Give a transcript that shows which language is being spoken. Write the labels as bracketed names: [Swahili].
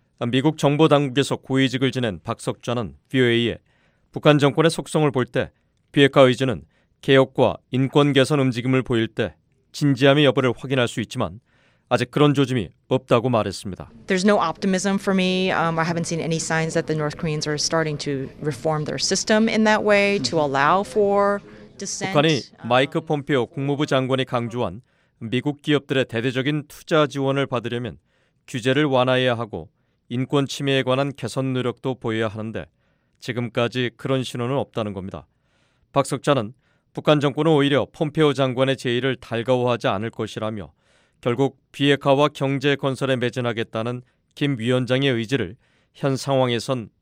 [Korean] 미국 정보당국에서 고위직을 지낸 박석좌는 VOA에 북한 정권의 속성을 볼 때 비핵화 의지는 개혁과 인권 개선 움직임을 보일 때 진지함의 여부를 확인할 수 있지만 아직 그런 조짐이 없다고 말했습니다. [English] There's no optimism for me. I haven't seen any signs that the North Koreans are starting to reform their system in that way to allow for dissent. [Korean] 북한이 마이크 폼페오 국무부 장관이 강조한 미국 기업들의 대대적인 투자 지원을 받으려면 규제를 완화해야 하고 인권 침해에 관한 개선 노력도 보여야 하는데 지금까지 그런 신호는 없다는 겁니다. 박석자는 북한 정권은 오히려 폼페오 장관의 제의를 달가워하지 않을 것이라며 결국 비핵화와 경제 건설에 매진하겠다는 김 위원장의 의지를 현 상황에선